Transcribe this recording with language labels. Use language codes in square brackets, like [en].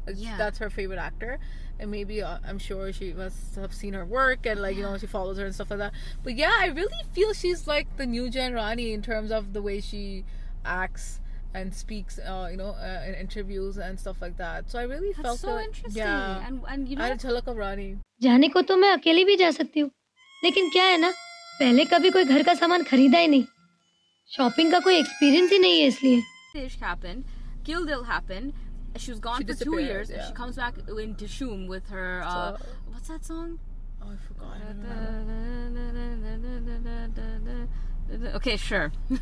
[en] That's her favorite actor. And maybe, I'm sure she must have seen her work and, like, you know, she follows her and stuff like that. But yeah, I really feel she's like the new gen Rani in terms of the way she acts and speaks, in interviews and stuff like that. So I really felt that. That's so interesting. Yeah. And you know, I had a chalak of Rani. [hi] जाने को तो मैं अकेली भी जा सकती हूँ लेकिन क्या है ना पहले कभी कोई घर का सामान खरीदा ही नहीं शॉपिंग का कोई एक्सपीरियंस ही नहीं है इसलिए [en] Ish happened, Kill Dil happened, she was gone for 2 years, yeah. She comes back in Dishoom with her, what's that song? Oh, I forgot. Okay, sure.